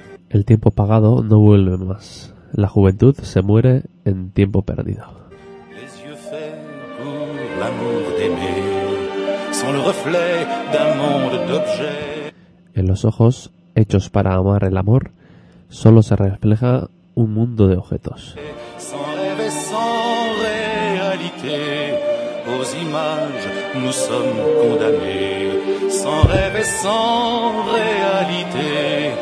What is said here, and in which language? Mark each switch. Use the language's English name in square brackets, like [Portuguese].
[Spanish] El tiempo pagado no vuelve más. La juventud se muere en tiempo perdido. [French] Les yeux faits pour l'amour d'aimer sont le reflet d'un monde d'objets. [Spanish] En los ojos hechos para amar el amor solo se refleja un mundo de objetos. [French] Sans rêve et sans réalité, aux images nous sommes condamnés. Sans rêve et sans réalité.